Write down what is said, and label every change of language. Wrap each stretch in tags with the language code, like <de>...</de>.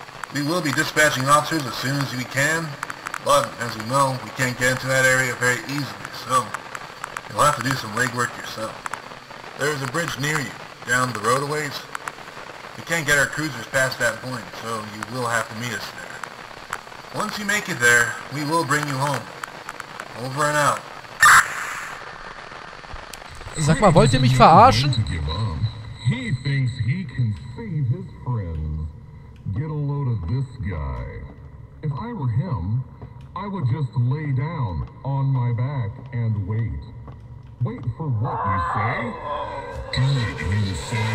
<en>We will be dispatching officers as soon as we can, but as we know, we can't get into that area very easily, so you'll have to do some legwork yourself. There is a bridge near you, down the road a ways. We can't get our cruisers past that point, so you will have to meet us there. Once you make it there, we will bring you home. Over and out.</en> <de>Sag mal, wollt ihr mich verarschen?</de> <en>He thinks he can save his friends. Get a load of this guy. If I were him, I would just lay down on my back and wait. Wait for what you say?</en>